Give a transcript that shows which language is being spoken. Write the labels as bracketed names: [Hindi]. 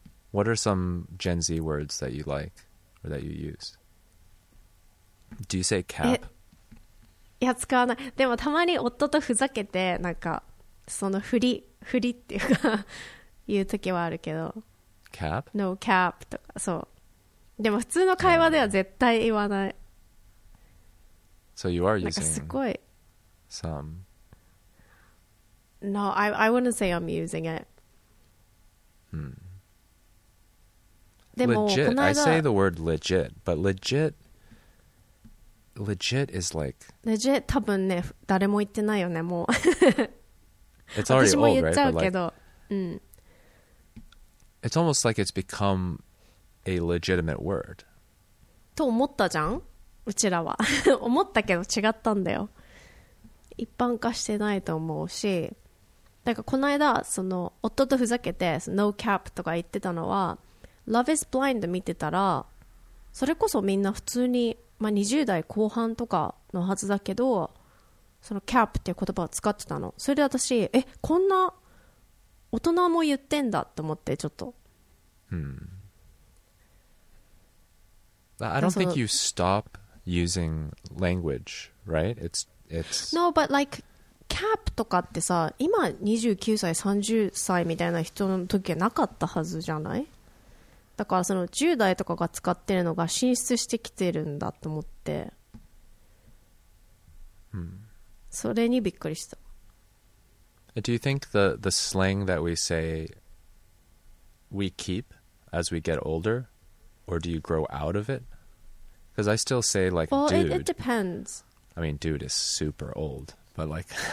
[English] What are some Gen Z words that you like or that you use? Do you say cap? [Japanese] いや、使わない。でもたまに夫とふざけて、なんかその振りっていうか言う時はあるけど。 [English] Cap? [Japanese] No cap とか、そう。でも普通の会話では絶対言わない。 [English] So you are using some. No, I wouldn't say I'm using it. Legit. I say the word legit, but legit is like legit. [Japanese] 多分ね、誰も言ってないよね、もう。 [English] It's already old, right? But like, it's almost like it's become a legitimate word. [Japanese] と思ったじゃん。うちらは思ったけど違ったんだよ。一般化してないと思うし、だからこの間その夫とふざけて No cap とか言ってたのは、 Love is blind 見てたら、それこそみんな普通に、まあ、20代後半とかのはずだけど、その cap っていう言葉を使ってたの。それで私、え、こんな大人も言ってんだと思って、ちょっと、 [English] I don't think you stop using language, right? It's [Japanese] No, but like cap とかってさ、今29歳30歳みたいな人の時はなかったはずじゃない？だからその10代とかが使ってるのが進出してきてるんだと思って、それにびっくりした。 [English] Do you think the slang that we say we keep as we get older, or do you grow out of it? Because I still say like, well, dude. Well, it depends. I mean, dude is super old, but like.